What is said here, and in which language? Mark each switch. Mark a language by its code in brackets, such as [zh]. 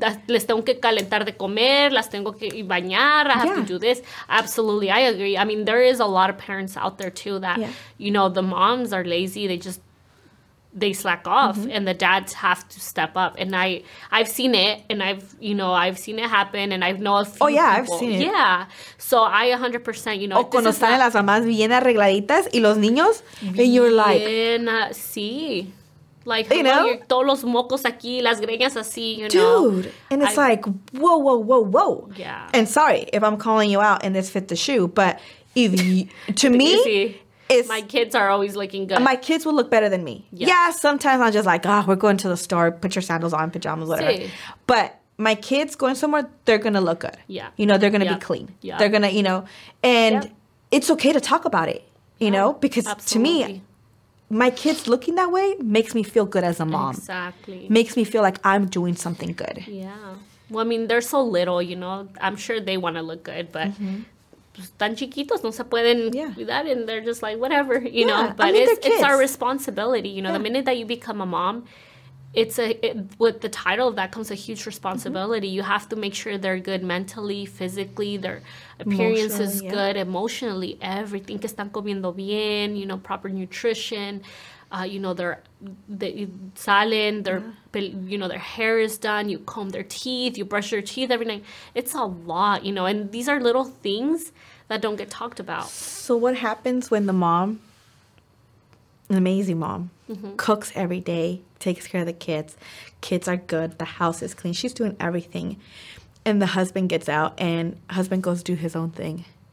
[es] what? Les tengo que calentar de comer, las tengo que bañar, [en] I have to do this. Absolutely, I agree. I mean, there is a lot of parents out there too that, you know, the moms are lazy, they slack off and the dads have to step up. And I've seen it and I've seen it happen and I've known a few people. Oh, yeah, people. I've seen it. Yeah. So I 100%, you know. [es] O cuando salen las mamás bien arregladitas y los niños, [en] and you're like. [es] Bien, sí. Like, [en] you know. [es] Todos los mocos aquí, las greñas así, you know. [en] Dude. And it's whoa. Yeah. And sorry if I'm calling you out and this fit the shoe, but if you, to me. Easy. It's, my kids are always looking good. My kids will look better than me. Yeah, sometimes I'm just like, oh, we're going to the store. Put your sandals on, pajamas, whatever. [es] Si. [en] But my kids going somewhere, they're going to look good. Yeah. You know, they're going to be clean. Yeah. They're going to, you know. And it's okay to talk about it, you know, because to me, my kids looking that way makes me feel good as a mom. Exactly. Makes me feel like I'm doing something good. Yeah. Well, I mean, they're so little, you know. I'm sure they want to look good, but. Mm-hmm. [es] Tan chiquitos, no se pueden cuidar, [en] and they're just like, whatever, you know. But I mean, it's our responsibility, you know. Yeah. The minute that you become a mom, with the title of that comes a huge responsibility. Mm-hmm. You have to make sure they're good mentally, physically, their appearance is good, emotionally, everything. [es] Que están comiendo bien, [en] you know, proper nutrition. You know, their hair is done, you comb their teeth, you brush their teeth every night. It's a lot, you know, and these are little things that don't get talked about. So what happens when the mom, an amazing mom, cooks every day, takes care of the kids are good, the house is clean, she's doing everything, and the husband gets out, and husband goes do his own thing.